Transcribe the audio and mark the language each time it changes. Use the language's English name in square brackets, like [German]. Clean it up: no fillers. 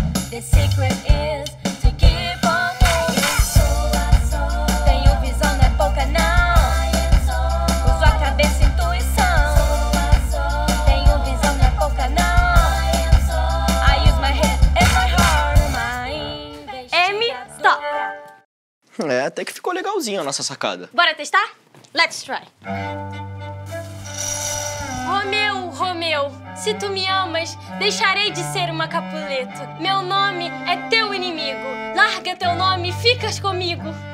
[English] The secret is to keep on moving. [Portuguese] Tenho visão, não é pouca, não. Uso a cabeça e intuição. Tenho visão, não é pouca, não. [English] I use my head and my heart. [Portuguese] Uma investigadora. M, stop. É, até que ficou legalzinho a nossa sacada. Bora testar? [English] Let's try. [Portuguese] Romeu, Romeu, se tu me amas, deixarei de ser uma Capuleto. Meu nome é teu inimigo. Larga teu nome e ficas comigo.